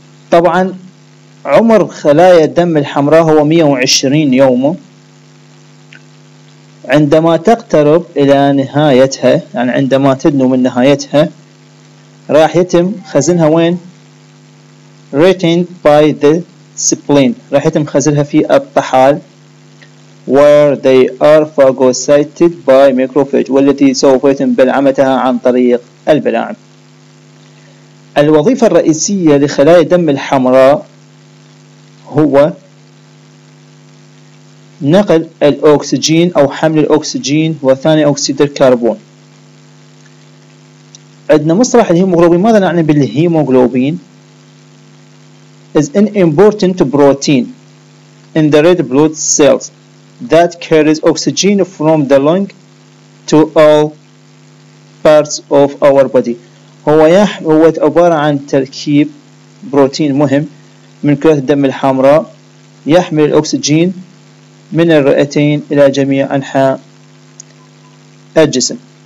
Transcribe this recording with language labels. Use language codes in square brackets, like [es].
[ar] طبعا عمر خلايا الدم الحمراء هو 120 يوما، عندما تقترب إلى نهايتها يعني عندما تدنو من نهايتها راح يتم خزنها وين؟ [en] Retained by the spleen، [ar] راح يتم خزنها في الطحال، [en] where they are phagocyted by macrophage، [ar] والتي سوف يتم بلعمتها عن طريق البلاعم. الوظيفة الرئيسية لخلايا الدم الحمراء هو نقل الأكسجين أو حمل الأكسجين وثاني أكسيد الكربون. عندنا مصطلح الهيموغلوبين، ماذا نعني بالهيموغلوبين؟ [en] is an important protein in the red blood cells that carries oxygen from the lung to all parts of our body. [ar] هو عبارة عن تركيب بروتين مهم من كريات الدم الحمراء، يحمل الأكسجين من الرئتين إلى جميع أنحاء الجسم.